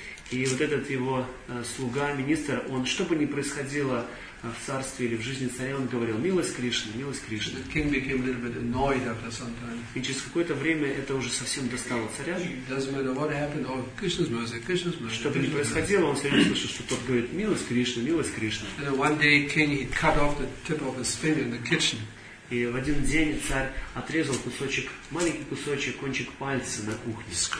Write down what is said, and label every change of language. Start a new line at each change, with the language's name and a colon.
Russian: И вот этот его слуга, министр, он, что бы ни происходило в царстве или в жизни царя, он говорил, милость Кришны, милость Кришны.
English: The king became a little bit annoyed after some time.
Russian: И через какое-то время это уже совсем достало царя.
English: Doesn't matter what happened, oh, Krishna's mercy, Krishna's mercy.
Russian: Что бы ни происходило, он все время слышал, что тот говорит, милость Кришны, милость Кришны.
English: And then one day king, he cut off the tip of his finger in the kitchen.
Russian: И в один день царь отрезал кусочек, маленький кусочек, кончик пальца на кухне.